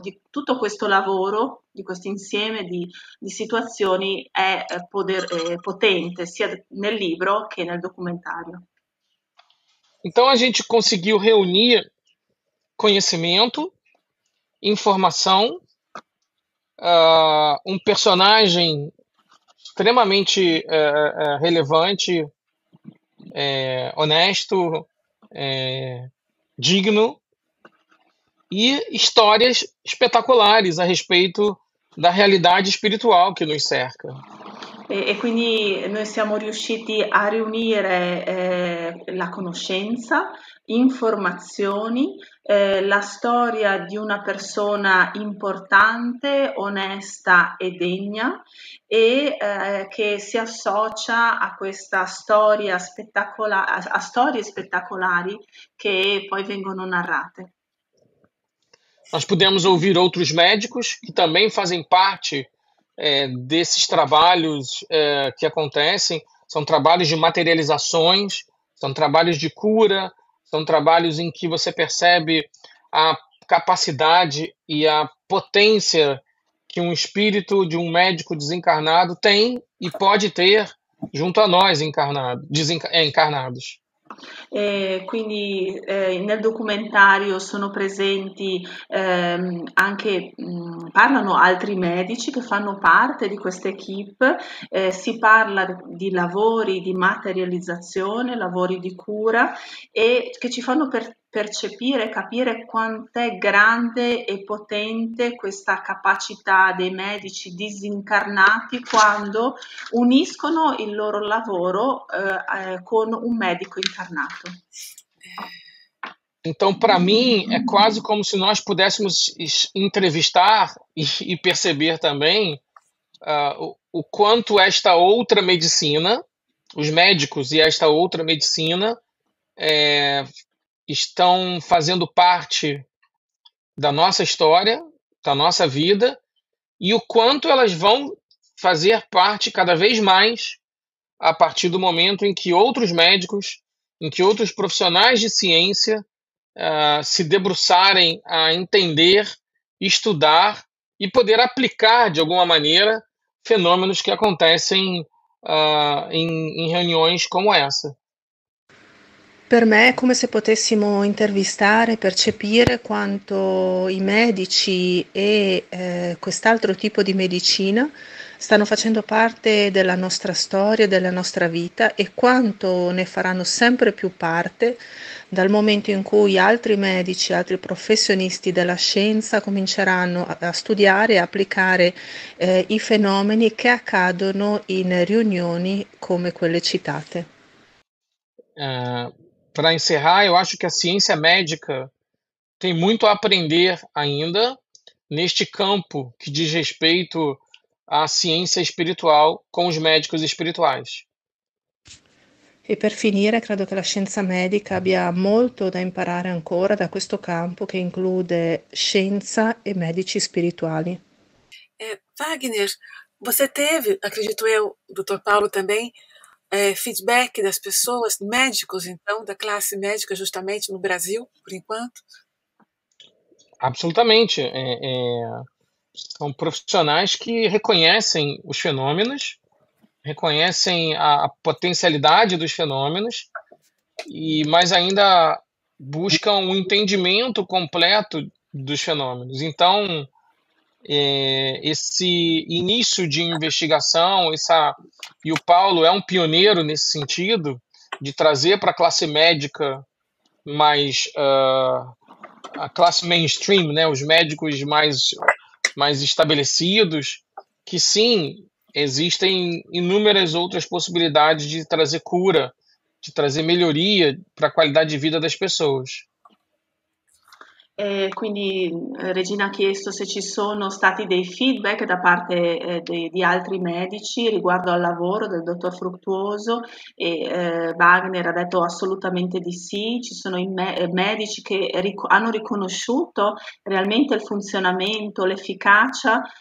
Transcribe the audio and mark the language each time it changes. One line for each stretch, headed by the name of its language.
Italian: tutto questo lavoro, di questo insieme di situazioni è potente sia nel libro che nel documentario.
Portuguese: Então a gente conseguiu reunir conhecimento, informação, um personagem extremamente relevante, honesto, digno e histórias espetaculares a respeito da realidade espiritual que nos cerca.
Italian: E quindi noi siamo riusciti a riunire la conoscenza, informazioni, la storia di una persona importante, onesta e degna, e che si associa a questa storia spettacolare, a storie spettacolari che poi vengono narrate.
Portuguese: Nós pudemos ouvir outros médicos que também fazem parte desses trabalhos que acontecem. São trabalhos de materializações, são trabalhos de cura, são trabalhos em que você percebe a capacidade e a potência que um espírito de um médico desencarnado tem e pode ter junto a nós encarnados.
Italian: Quindi nel documentario sono presenti anche parlano altri medici che fanno parte di questa equipe, si parla di lavori di materializzazione, lavori di cura e che ci fanno percepire, capire quant'è grande e potente questa capacità dei medici disincarnati quando uniscono il loro lavoro con un medico incarnato.
Portuguese: Então, para mim, é quase como se nós pudéssemos entrevistar e perceber também o quanto esta outra medicina, os médicos e esta outra medicina, estão fazendo parte da nossa história, da nossa vida, e o quanto elas vão fazer parte cada vez mais a partir do momento em que outros médicos, em que outros profissionais de ciência, se debruçarem a entender, estudar e poder aplicar de alguma maneira fenômenos que acontecem, em reuniões como essa.
Italian: Per me è come se potessimo intervistare, percepire quanto i medici e quest'altro tipo di medicina stanno facendo parte della nostra storia, della nostra vita e quanto ne faranno sempre più parte dal momento in cui altri medici, altri professionisti della scienza cominceranno a studiare e applicare i fenomeni che accadono in riunioni come quelle citate.
Portuguese: Para encerrar, eu acho que a ciência médica tem muito a aprender ainda neste campo que diz respeito à ciência espiritual com os médicos espirituais.
Italian: E per finire, credo che la scienza medica abbia molto da imparare ancora da questo campo che include scienza e medici spirituali.
Portuguese: Wagner, você teve, acredito eu, dottor Paulo também, feedback das pessoas, médicos, então, da classe médica, justamente no Brasil, por enquanto? Absolutamente. São profissionais que reconhecem os fenômenos, reconhecem a potencialidade dos fenômenos, e mais ainda buscam um entendimento completo dos fenômenos. Então, esse início de investigação, e o Paulo é um pioneiro nesse sentido, de trazer para a classe médica mais. A classe mainstream, né, os médicos mais estabelecidos, que sim, existem inúmeras outras possibilidades de trazer cura, de trazer melhoria para a qualidade de vida das pessoas.
Italian: Quindi Regina ha chiesto se ci sono stati dei feedback da parte di altri medici riguardo al lavoro del dottor Fruttuoso e Wagner ha detto assolutamente di sì, ci sono i me medici che ric hanno riconosciuto realmente il funzionamento, l'efficacia